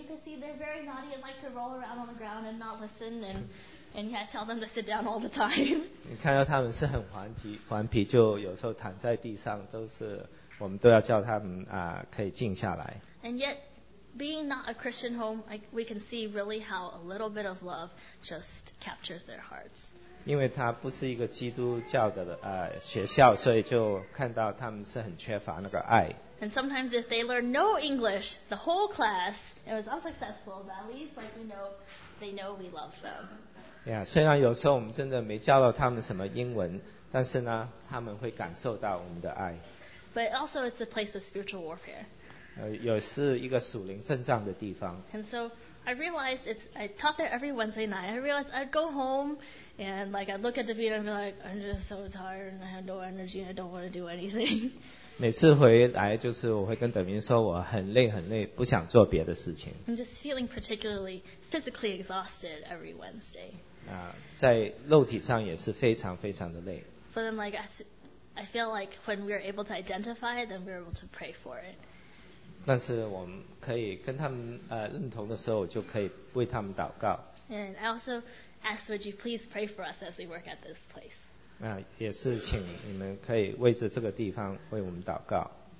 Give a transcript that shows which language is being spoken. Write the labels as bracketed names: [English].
[English] And you can see they're very naughty and like to roll around on the ground and not listen, and you have to tell them to sit down all the time. [Chinese] 你看到他们是很顽皮，就有时候躺在地上，都是我们都要叫他们可以静下来。 [English] And yet, being not a Christian home, we can see really how a little bit of love just captures their hearts. [Chinese] 因为他不是一个基督教的学校，所以就看到他们是很缺乏那个爱。 [English] And sometimes if they learn no English, the whole class, it was unsuccessful, but at least like we know, they know we love them. [Chinese] Yeah, 虽然有时候我们真的没教到他们什么英文，但是呢，他们会感受到我们的爱。 [English] But also it's a place of spiritual warfare. [Chinese] 也是一个属灵征战的地方。 [English] And so I realized I taught there every Wednesday night. I realized I'd go home. And like I look at Davina and be like, I'm just so tired and I have no energy and I don't want to do anything. [Chinese] 每次回来就是我会跟Davina说我很累，不想做别的事情。 [English] I'm just feeling particularly physically exhausted every Wednesday. [Chinese] 在肉体上也是非常非常的累。 [English] But then like I feel like when we're able to identify it, then we're able to pray for it. [Chinese] 但是我们可以跟他们认同的时候，我就可以为他们祷告。 [English] And I also. Ask, would you please pray for us as we work at this place? [Chinese] 也是请你们可以为着这个地方为我们祷告。